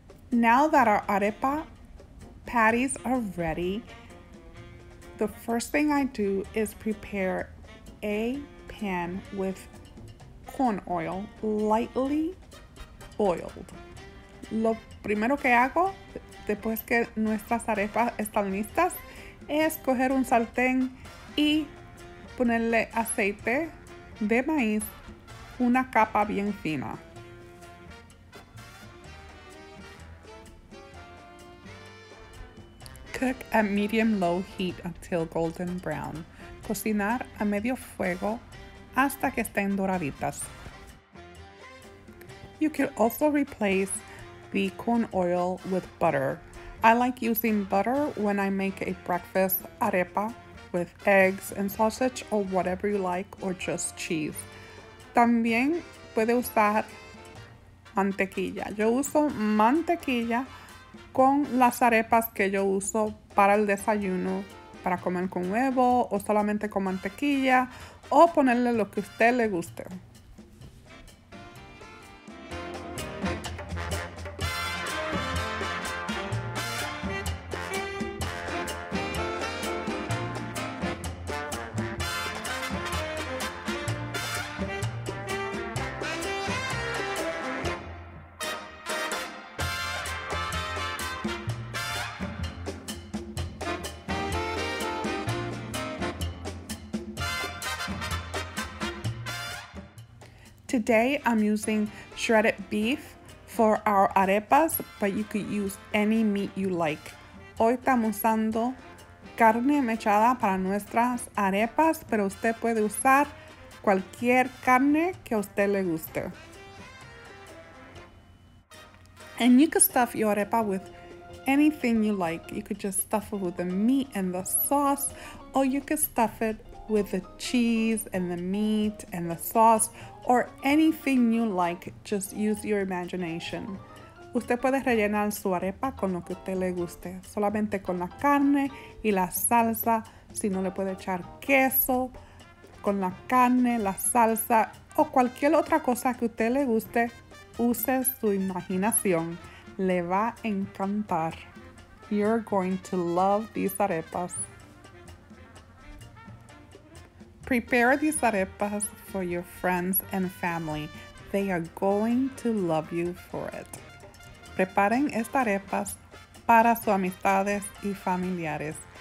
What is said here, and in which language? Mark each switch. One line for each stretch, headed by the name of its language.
English: Now that our arepa patties are ready, the first thing I do is prepare a pan with corn oil, lightly boiled.
Spanish: Lo primero que hago, después que nuestras arepas están listas, es coger un sartén y ponerle aceite de maíz, una capa bien fina.
English: Cook at medium-low heat until golden brown.
Spanish: Cocinar a medio fuego hasta que estén doraditas.
English: You can also replace the corn oil with butter. I like using butter when I make a breakfast arepa with eggs and sausage or whatever you like, or just cheese.
Spanish: También puede usar mantequilla. Yo uso mantequilla con las arepas que yo uso para el desayuno, para comer con huevo o solamente con mantequilla, o ponerle lo que a usted le guste.
English: Today, I'm using shredded beef for our arepas, but you could use any meat you like.
Spanish: Hoy estamos usando carne mechada para nuestras arepas, pero usted puede usar cualquier carne que a usted le guste.
English: And you could stuff your arepa with anything you like. You could just stuff it with the meat and the sauce, or you could stuff it with the cheese and the meat and the sauce, or anything you like, just use your imagination.
Spanish: Usted puede rellenar su arepa con lo que usted le guste, solamente con la carne y la salsa, si no le puede echar queso, con la carne, la salsa, o cualquier otra cosa que usted le guste, use su imaginación, le va a encantar.
English: You're going to love these arepas. Prepare these arepas for your friends and family. They are going to love you for it.
Spanish: Preparen estas arepas para sus amistades y familiares.